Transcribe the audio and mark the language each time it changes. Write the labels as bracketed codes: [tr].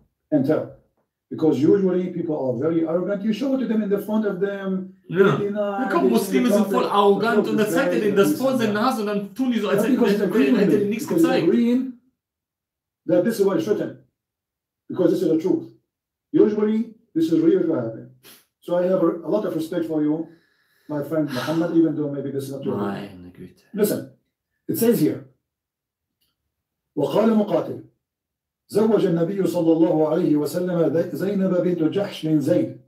[en] And because usually people are very arrogant, you show it to them in the front of them. [de] Ja, komm, Muslime sind voll arrogant und dann zeigt er denen das vor seiner Nase und dann tun die so, als hätte er nichts gezeigt. [en] Green, that this is what is written, because this is the truth. Usually, this is really what happened. So I have a lot of respect for you, my friend Muhammad, even though maybe this is not [de] true. Meine Güte. [en] Listen, it says here, [ar] وَقَالَ مُقَاتِلْ زوج النبي صلى الله عليه وسلم زينب بنت جحش من زيد.